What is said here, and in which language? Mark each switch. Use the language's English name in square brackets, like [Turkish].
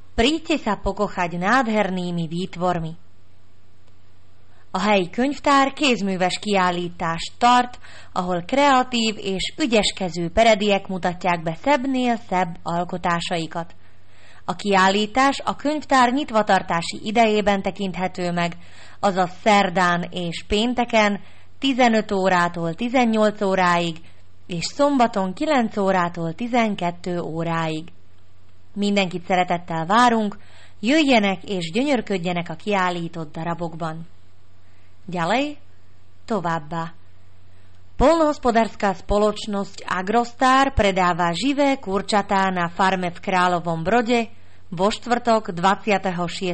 [Slovak] Príďte sa pokochať nádhernými výtvormi. [Hungarian] Hej, könyvtár, kézműves kiállítás tart, ahol kreatív és ügyeskező peredélyek mutatják be szebbnél szebb alkotásaikat. A kiállítás a könyvtár nyitvatartási idejében tekinthető meg, azaz szerdán és pénteken 15 órától 18 óráig, és szombaton 9 órától 12 óráig. Mindenkit szeretettel várunk, jöjjenek és gyönyörködjenek a kiállított darabokban. [Slovak] Ďalej, [Hungarian] továbbá. [Slovak] Poľnohospodárska spoločnosť Agrostar predáva živé kurčatá na farme v Královom Brode vo štvrtok 26.